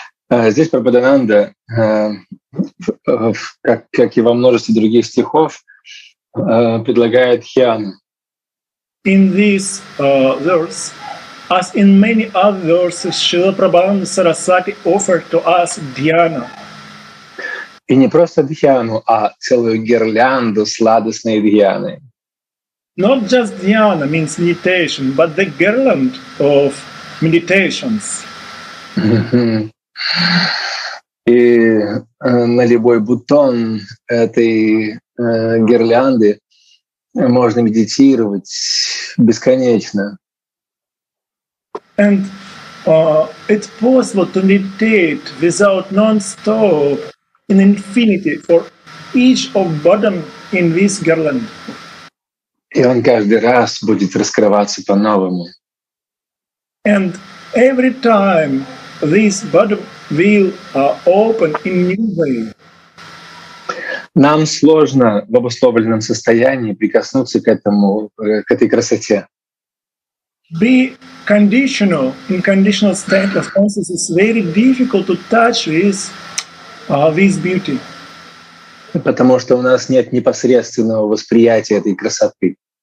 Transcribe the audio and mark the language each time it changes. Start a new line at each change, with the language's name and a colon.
Russian: Здесь Прабхадананда, как и во множестве других стихов, предлагает дхьяну.
English: In this verse, as in many other verses, Srila Prabhupada Sarasvati offered to us dhyana.
Russian: И не просто дхьяну, а целую гирлянду сладостной дхьяны.
English: Not just dhyana means meditation, but the garland of meditations.
Russian: И на любой бутон этой гирлянды, можно медитировать бесконечно.
English: And it's possible to meditate without non-stop in infinity for each of bottom in this garland.
Russian: И он каждый раз будет раскрываться по-новому.
English: And every time this bottom will open in new way.
Russian: Нам сложно в обусловленном состоянии прикоснуться к этому, к этой красоте.
English: Be conditional, in conditional state of consciousness, it's very difficult to touch this, this beauty.
Russian: Потому что у нас нет непосредственного восприятия этой красоты.